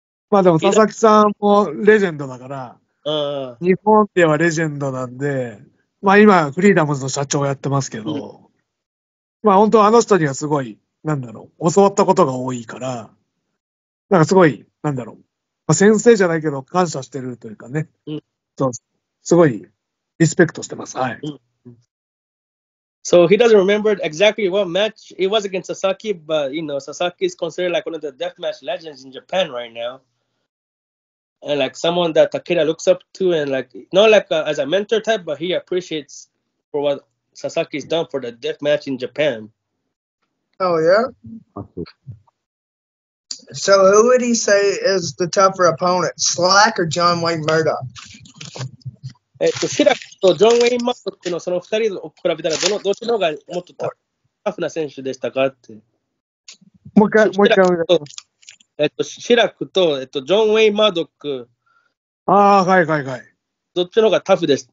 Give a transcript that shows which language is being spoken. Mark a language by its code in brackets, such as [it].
[ja] まあでも佐々木さんもレジェンドだから、日本ではレジェンドなんで、まあ今フリーダムズの社長をやってますけど、うん、まあ本当あの人にはすごい、なんだろう、教わったことが多いから、なんかすごい、なんだろう、先生じゃないけど感謝してるというかね、うん、すごいリスペクトしてます。はい。 [en] So he doesn't remember exactly what match it was against Sasaki, but you know, Sasaki is considered like one of the deathmatch legends in Japan right now. And like someone that Takeda looks up to and like, not like a, as a mentor type, but he appreciates for what Sasaki's done for the deathmatch in Japan. Oh yeah? So who would he say is the tougher opponent, Slack or John Wayne Murdoch? [ja] Shlak とジョン・ウェイン・マッドっていうのはその二人を比べたらどっちの方がもっとタフな選手でしたかって。もう一回。 Shlak と、ジョン・ウェイン・マッドック。ああ、はいはいはい。どっちの方がタフです。